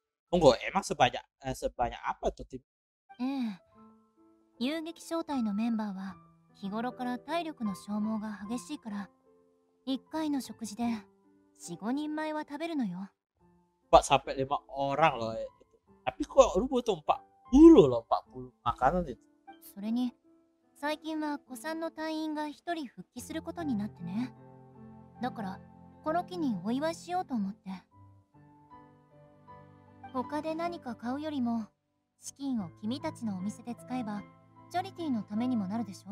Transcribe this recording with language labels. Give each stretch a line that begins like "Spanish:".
Indonesian: Tunggu, emang sebanyak apa tuh tim?
Japanese: Eh, 遊撃小隊のメンバーは日頃から体力の消耗が激しいから、一回の食事で四五人前は食べるのよ。
Indonesian: Pak sampai lima orang loh. Tapi kok lu butuh 40 loh, 40 makanan itu.
Japanese: それに、最近は古参の隊員が一人復帰することになってね。だからこの機にお祝いしようと思って。他で何か買うよりも資金を君たちのお店で使えばチャリティーのためにもなるでしょ。